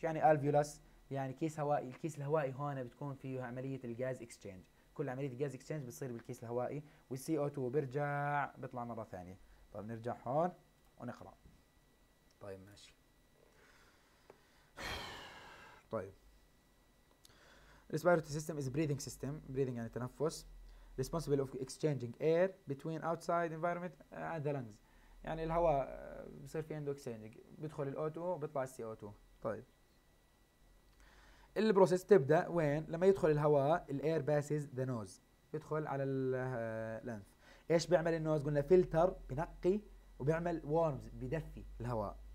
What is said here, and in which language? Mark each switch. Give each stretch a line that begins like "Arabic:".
Arabic: يعني الفيولس يعني كيس هوائي. الكيس الهوائي هون بتكون فيه عمليه الغاز اكسشينج، كل عمليه الغاز اكسشينج بتصير بالكيس الهوائي، والسي او 2 بيرجع بيطلع مره ثانيه. طب نرجع هون ونقرا. طيب ماشي. طيب
English: respiratory system is breathing system.
Arabic: breathing يعني تنفس.
English: responsible of exchanging air between outside environment and the lungs.
Arabic: يعني الهواء بصير فيه عنده exchanging، بيدخل الـ O2 وبيطلع الـ CO2. طيب البروسيس تبدأ وين؟ لما يدخل الهواء الـ
English: air passes the nose،
Arabic: يدخل على الـ length. ايش بيعمل النوز؟ قلنا filter، بنقي، وبيعمل warms، بيدفي الهواء.